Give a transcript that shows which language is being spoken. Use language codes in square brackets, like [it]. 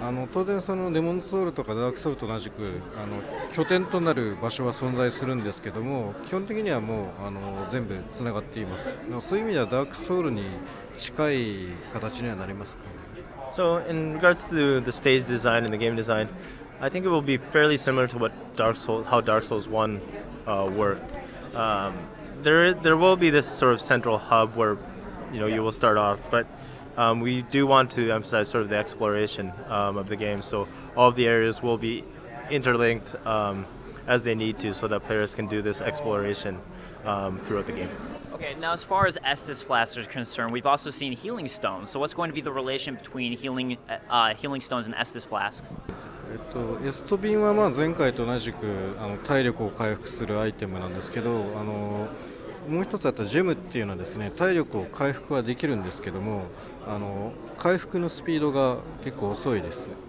[ja] 当然そのデモンズソウルとかダークソウルと同じく拠点となる場所は存在するんですけども、基本的にはもう全部つながっています。そういう意味ではダークソウルに近い形にはなりますか。 [en] So in regards to the stage design and the game design, I think it will be fairly similar to what Dark Souls, how Dark Souls 1 worked. There will be this sort of central hub where, you know, you will start off, butbut we do want to emphasize sort of the exploration of the game, so all the areas will be interlinked as they need to, so that players can do this exploration throughout the game. Okay, now as far as Estus Flask is concerned, we've also seen Healing Stones. So what's going to be the relation between Healing Stones and Estus Flasks? [ja] エストビンはまあ前回と同じく体力を回復するアイテムなんですけど、もう一つあったジェムっていうのはですね、体力を回復はできるんですけども、回復のスピードが結構遅いです。